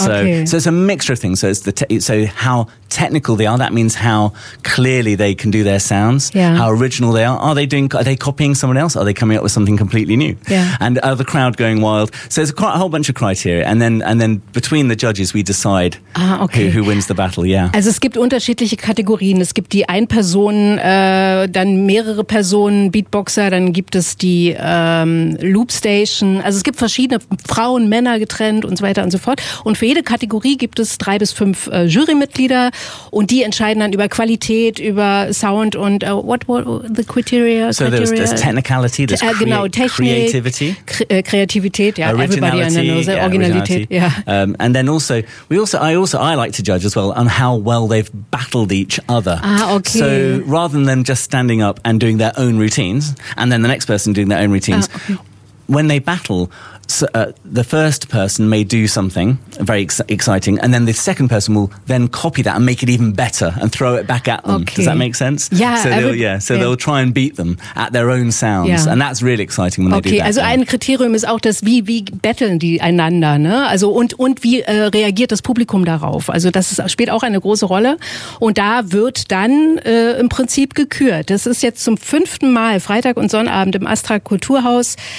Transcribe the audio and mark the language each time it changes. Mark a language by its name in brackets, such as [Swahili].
[English] So it's a mixture of things. So it's so how technical they are. That means how clearly they can do their sounds. Yeah. How original they are. Are they copying someone else? Are they coming up with something completely new? Yeah. And are the crowd going wild? So there's quite a whole bunch of criteria. And then between the judges, we decide who wins the battle. Yeah. [German] Also es gibt unterschiedliche Kategorien. Es gibt die Einpersonen, dann mehrere Personen, Beatboxer, dann gibt es die Loopstation. Also es gibt verschiedene Frauen, Männer getrennt und so weiter und so fort. Und für jede Kategorie gibt es 3 bis 5 Jurymitglieder. Und die entscheiden dann über Qualität, über Sound und [English] what the criteria? So there's technicality, there's creativity. [German] Kreativität, ja. [English] Originality, everybody knows it. Originality. And then also, I like to judge as well on how well they've battled each other. So rather than just standing up and doing their own routines, and then the next person doing their own routines, when they battle, the first person may do something very exciting, and then the second person will then copy that and make it even better and throw it back at them. Okay. Does that make sense? So they'll try and beat them at their own sounds, and that's really exciting when they do that. [German] Okay, also ein Kriterium ist auch das, wie battlen die einander, ne? Also und wie reagiert das Publikum darauf? Also das spielt auch eine große Rolle, und da wird dann im Prinzip gekürt. Das ist jetzt zum 5. Mal Freitag und Sonnabend im Astra Kulturhaus.